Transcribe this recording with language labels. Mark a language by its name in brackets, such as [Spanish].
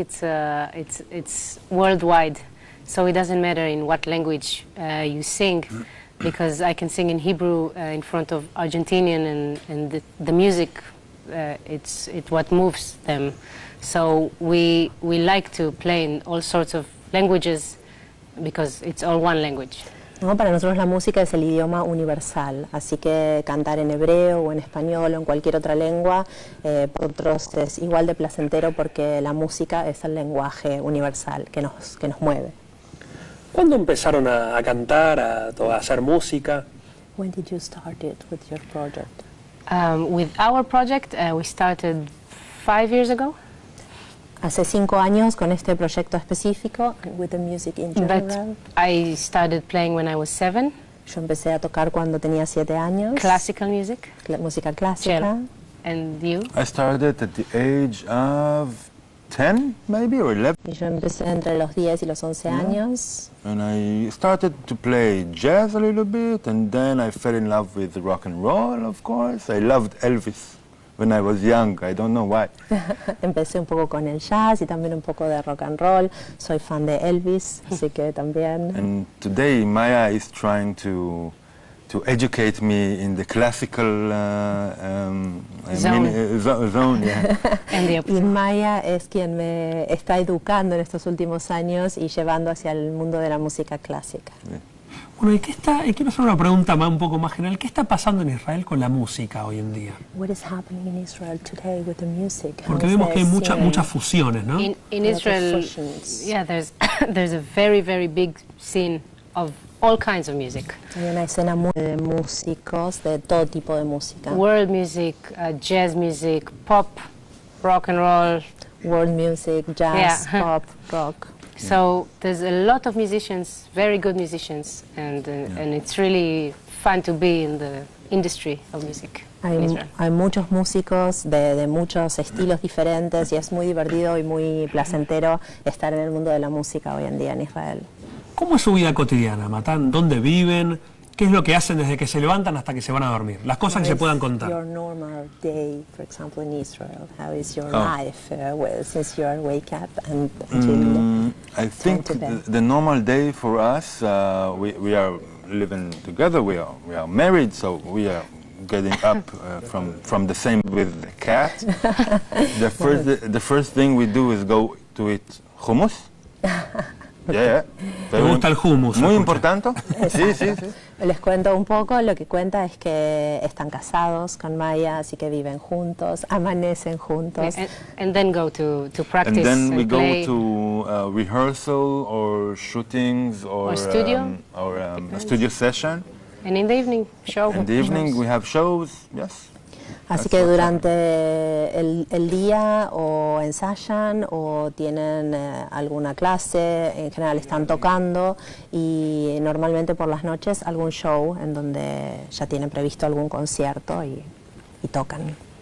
[English] It's worldwide, so it doesn't matter in what language you sing, because I can sing in Hebrew in front of Argentinian, and the music, it's what moves them. So we like to play in all sorts of languages, because it's all one language. [Spanish] No, para nosotros la música es el idioma universal, así que cantar en hebreo o en español o en cualquier otra lengua, para nosotros es igual de placentero porque la música es el lenguaje universal que nos mueve. ¿Cuándo empezaron a cantar, a hacer música? [English] When did you start it with your project? With our project, we started 5 years ago. [Spanish] Hace 5 años con este proyecto específico. [English] With the music in general. But I started playing when I was 7. [Spanish] Yo empecé a tocar cuando tenía 7 años. [English] Classical music. [Spanish] Música clásica. Cello. [English] And you? I started at the age of 10, maybe, or 11. [Spanish] Y yo empecé entre los 10 y los 11 yeah. años. [English] And I started to play jazz a little bit, and then I fell in love with rock and roll, of course. I loved Elvis. When I was young, I don't know why. [Spanish] Empecé un poco con el jazz y también un poco de rock and roll. Soy fan de Elvis, así que también. [English] And today Maya is trying to educate me in the classical zone. Yeah. [Spanish] Y Maya es quien me está educando en estos últimos años y llevando hacia el mundo de la música clásica. Bueno, y quiero hacer una pregunta más, un poco más general. ¿Qué está pasando en Israel con la música hoy en día? [English] What is happening in Israel today with the music? [Spanish] Porque vemos que hay muchas fusiones, ¿no? [English] In Israel, yeah, there's a very very big scene of all kinds of music. [Spanish] Hay una escena muy de músicos de todo tipo de música. [English] World music, jazz music, pop, rock and roll. World music, jazz, yeah. Pop, rock. So there's a lot of musicians, very good musicians, and it's really fun to be in the industry of music. [Spanish] Hay muchos músicos de muchos estilos diferentes y es muy divertido y muy placentero estar en el mundo de la música hoy en día en Israel. ¿Cómo es su vida cotidiana, Matan? ¿Dónde viven? ¿Qué es lo que hacen desde que se levantan hasta que se van a dormir? Las cosas que se puedan contar. [English] Your normal day, for example, in Israel. How is your life since you are wake up and I think the normal day for us, we are living together. We are married, so we are getting up from the same with the cat. The first thing we do is go to eat hummus. [Spanish] Me gusta el hummus. Muy importante. Sí. Les cuento un poco, lo que cuenta es que están casados con Maya, así que viven juntos, amanecen juntos. [English] And then go to practice. And then we play. Go to rehearsal or shootings or studio. A studio session. And in the evening show. In the evening we have shows, yes. [Spanish] Así que durante el día o ensayan o tienen alguna clase, en general están tocando y normalmente por las noches algún show en donde ya tienen previsto algún concierto y tocan.